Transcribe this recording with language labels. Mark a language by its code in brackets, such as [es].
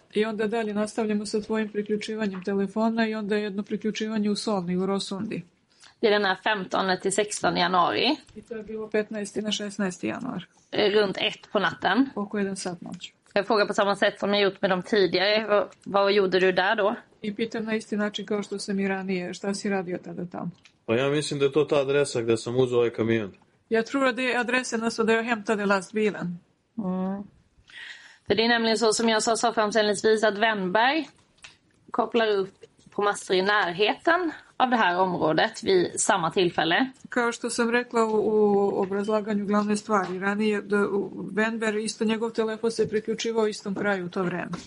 [sr] I onda dalje nastavljamo sa tvojim priključivanjem telefona i onda jedno priključivanje u Solni i u Råsundi. [sv] Det är den här 15-16 januari. Det är 15-16 januari. Runt 1 på natten. Och är den satt match. Jag frågar på samma sätt som jag gjort med dem tidigare. Vad gjorde du där då? [sr] I pitam na isti način kao što sam i ranije. Šta si radio tada tam? Pa ja mislim da je to ta adresa gde sam uzeo ovaj kamion. [sv] Jag tror att det är adressen alltså där jag hämtade lastbilen. Mm. För det är nämligen så som jag sa framställningsvis att Wennberg kopplar upp på master i närheten av det här området vid samma tillfälle. [sr] Kao što sam rekla u obrazlaganju glavne stvari ranije, Wennberg, isto njegov telefon se priključivao istom kraju u to vreme.